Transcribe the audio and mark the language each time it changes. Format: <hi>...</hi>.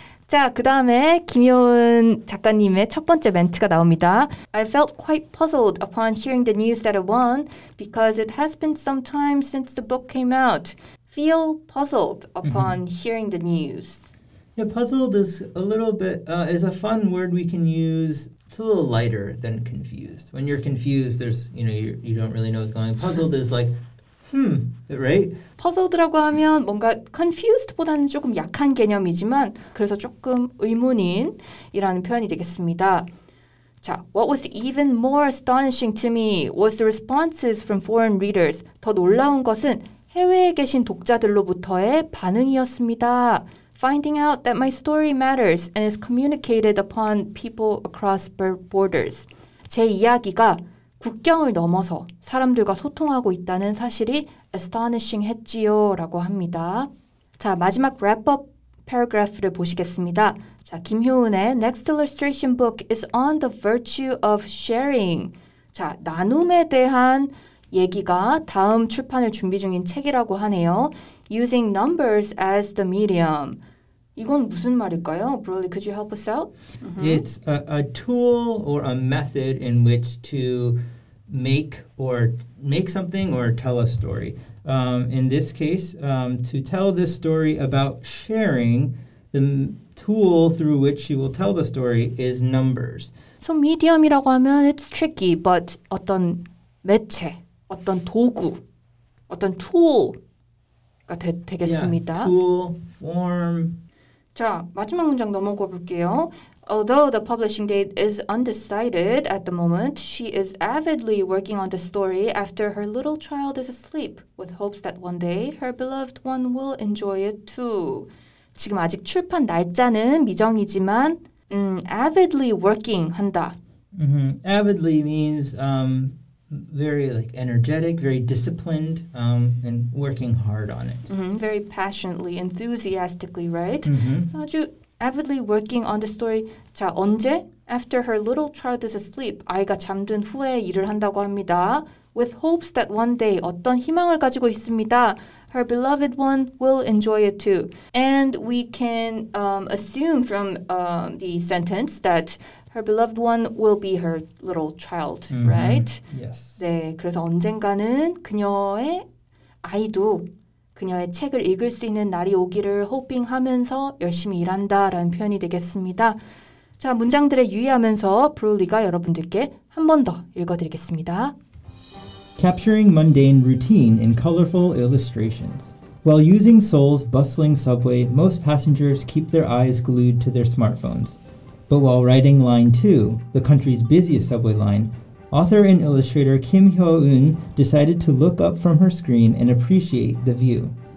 <ko>자, 그 다음에 김효은 작가님의 첫 번째 멘트가 나옵니다.</ko> <en>I felt quite puzzled upon hearing the news that it won because it has been some time since the book came out. Feel puzzled upon mm-hmm. hearing the news. Yeah, puzzled is a little bit, is a fun word we can use. It's a little lighter than confused. When you're confused, there's, you know, you don't really know what's going on. Puzzled is like, right?</en> <ko>Puzzled라고 하면 뭔가 confused보다는 조금 약한 개념이지만 그래서 조금 의문인이라는 표현이 되겠습니다.</ko> <en>자, what was even more astonishing to me was the responses from foreign readers.</en> <ko>더 놀라운 것은 해외에 계신 독자들로부터의 반응이었습니다.</ko> <en>Finding out that my story matters and is communicated upon people across borders.</en> <ko>제 이야기가 국경을 넘어서 사람들과 소통하고 있다는 사실이 astonishing 했지요 라고 합니다. 자, 마지막 wrap-up 파라그래프를 보시겠습니다.</ko> <en>자, 김효은의 next illustration book is on the virtue of sharing.</en> <ko>자, 나눔에 대한 얘기가 다음 출판을 준비 중인 책이라고 하네요.</ko> <en>Using numbers as the medium.</en> <ko>이건 무슨 말일까요?</ko> <en>Broly, could you help us out? Mm-hmm. It's a tool or a method in which to make something or tell a story. In this case, to tell this story about sharing, the tool through which she will tell the story is numbers.</en> <ko>So medium이라고 하면</ko> <en>it's tricky, but</en> <ko>어떤 매체, 어떤 도구, 어떤 tool가 되겠습니다.</ko> <en>Yeah, tool, form.</en> <ko>자, 마지막 문장 넘어가 볼게요.</ko> <en>Although the publishing date is undecided at the moment, she is avidly working on the story after her little child is asleep, with hopes that one day her beloved one will enjoy it too.</en> <ko>지금 아직 출판 날짜는 미정이지만,</ko> <en>avidly working</en> <ko>한다.</ko> <en>Mm-hmm. Avidly means very like energetic, very disciplined, and working hard on it. Mm-hmm. Very passionately, enthusiastically, right? Mm-hmm.</en> <ko>아주</ko> <en>avidly working on the story.</en> <ko>자, 언제?</ko> <en>After her little child is asleep.</en> <ko>아이가 잠든 후에 일을 한다고 합니다.</ko> <en>With hopes that one day,</en> <ko>어떤 희망을 가지고 있습니다.</ko> <en>Her beloved one will enjoy it too. And we can assume from the sentence that her beloved one will be her little child, mm-hmm. right? Yes.</en> <ko>네, 그래서 언젠가는 그녀의 아이도 그녀의 책을 읽을 수 있는 날이 오기를 호핑하면서 열심히 일한다라는 표현이 되겠습니다. 자, 문장들에 유의하면서 브롤리가 여러분들께 한 번 더 읽어드리겠습니다.</ko> <en>Capturing mundane routine in colorful illustrations. While using Seoul's bustling subway, most passengers keep their eyes glued to their smartphones. But while riding Line 2, the country's busiest subway line, author and illustrator Kim Hyo-eun decided to look up from her screen and appreciate the view.</en>